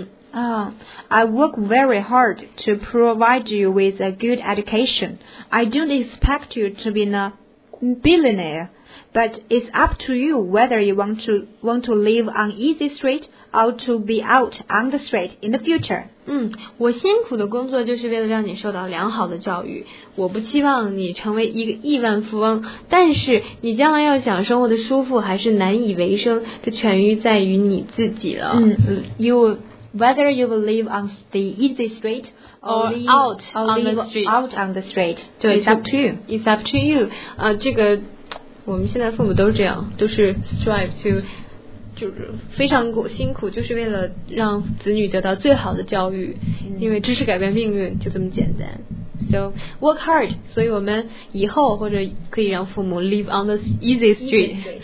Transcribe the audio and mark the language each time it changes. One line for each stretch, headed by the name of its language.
English: I work very hard to provide you with a good education. I don't expect you to be a billionaire, but it's up to you whether you want to live on easy street or to be out on the street in the future.
Chinese: 嗯，我辛苦的工作就是为了让你受到良好的教育，我不期望你成为一个亿万富翁，但是你将来要想生活的舒服还是难以为生，这全于在于你自己了。
English: Whether you will live on the easy street or out on the street, it's up to you.
Chinese: 这个我们现在父母都是这样，都是
English: strive to。
Chinese: 就是非常辛苦，就是为了让子女得到最好的教育，因为知识改变命运，就这么简单。
English: So work hard，
Chinese: 所以我们以后或者可以让父母
English: live on the easy street。